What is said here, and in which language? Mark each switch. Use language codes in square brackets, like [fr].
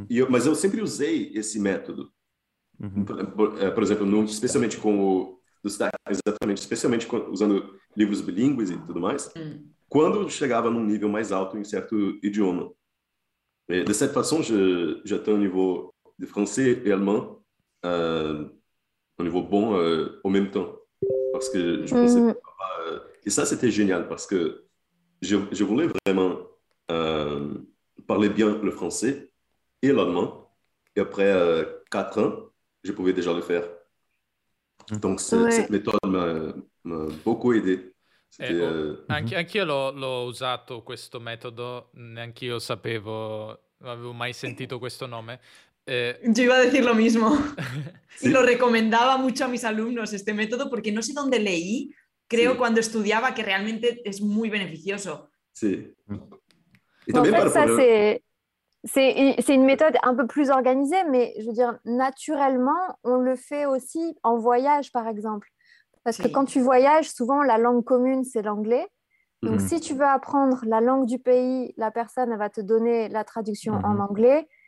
[pt] Mas eu sempre usei esse método. Por exemplo, especialmente com o do stack, exatamente, especialmente usando livros bilíngues e tudo mais, quando chegava num nível mais alto em certo idioma. De certa façon, já estou no nível de francês e alemão, um nível bom ao mesmo tempo. [fr] Parce que je pensais que et ça c'était génial parce que je voulais vraiment parler bien le français et l'allemand et après 4 ans je pouvais déjà le faire donc cette méthode m'a beaucoup aidé. [it] Anch'io l'ho usato questo metodo, neanche io sapevo, non avevo mai sentito questo nome. [es] Yo iba a decir lo mismo. Sí. Y lo recomendaba mucho a mis alumnos este método porque no sé dónde leí, creo, sí, cuando estudiaba, que realmente es muy beneficioso. Sí. Y también [fr] en fait, [es] para poder... [fr] C'est une méthode un peu plus organisée, mais je veux dire, naturellement, on le fait aussi en voyage, par exemple. Parce, sí, que quand tu voyages, souvent, la langue commune, c'est l'anglais. Donc, si tu veux apprendre la langue du pays, la personne va te donner la traduction en anglais.